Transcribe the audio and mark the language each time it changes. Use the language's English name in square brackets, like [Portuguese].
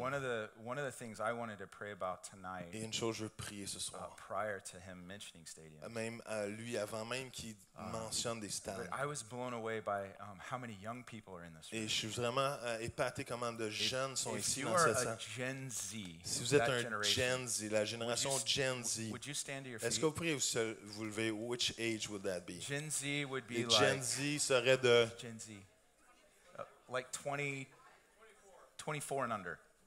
[English] One of the things I wanted to pray about tonight. [French] Et une chose je priais ce soir. [English] Prior to him mentioning stadiums. [French] Même lui avant même qu'il mentionne des stades. [English] I was blown away by how many young people are in this room. [French] Et je suis vraiment épaté comment de jeunes sont ici dans cette salle. [English] If you are a Gen Z, [French] si vous êtes un Gen Z, la génération Gen Z. [English] Would you stand to your feet? [French] Est-ce que vous pourriez vous lever? [English] Which age would that be? Gen Z would be like [French] Gen Z serait de [English] Gen Z. like 20, 24 and under.